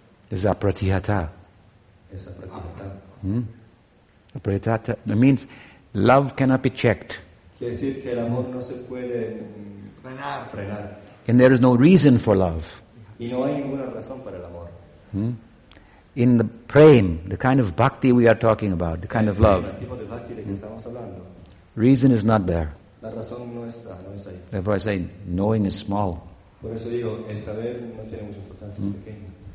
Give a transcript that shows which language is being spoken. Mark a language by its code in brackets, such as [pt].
[es] Es apratihata. Es apratihata. [en] Apratihata. That means love cannot be checked. [es] Quiere decir que el amor no se puede frenar. [en] And there is no reason for love. [es] Y no hay ninguna razón para el amor. [en] In the prem, the kind of bhakti we are talking about, the kind of love. [es] El tipo de bhakti de que estamos hablando. [en] Reason is not there. [es] La razón no está, no es ahí. [en] Therefore I say, knowing is small. [es] Por eso digo, el saber no tiene mucha importancia, pequeño.